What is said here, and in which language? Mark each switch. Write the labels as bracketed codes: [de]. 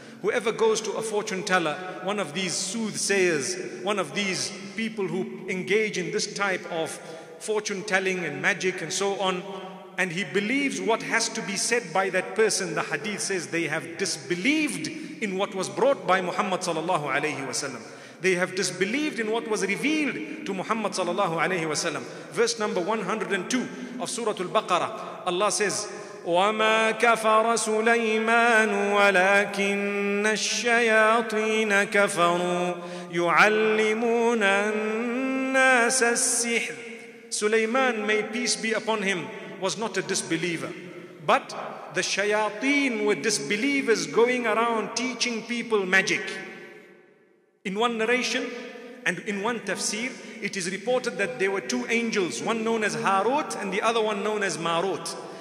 [en] Whoever goes to a fortune teller, one of these soothsayers, one of these people who engage in this type of fortune telling and magic and so on, and he believes what has to be said by that person, the hadith says they have disbelieved in what was brought by Muhammad sallallahu alayhi wa sallam. They have disbelieved in what was revealed to Muhammad sallallahu alayhi wa sallam. Verse number 102 of Surah Al-Baqarah, Allah says, [ar] وَمَا كَفَرَ سُلَيْمَانُ وَلَكِنَّ الشَّيَاطِينَ كَفَرُوا يُعَلِّمُونَ النَّاسَ السِّحْرِ. [en] Sulaiman, may peace be upon him, was not a disbeliever. But the shayateen were disbelievers going around teaching people magic. In one narration and in one tafsir, it is reported that there were two angels, one known as Harut and the other one known as Marut.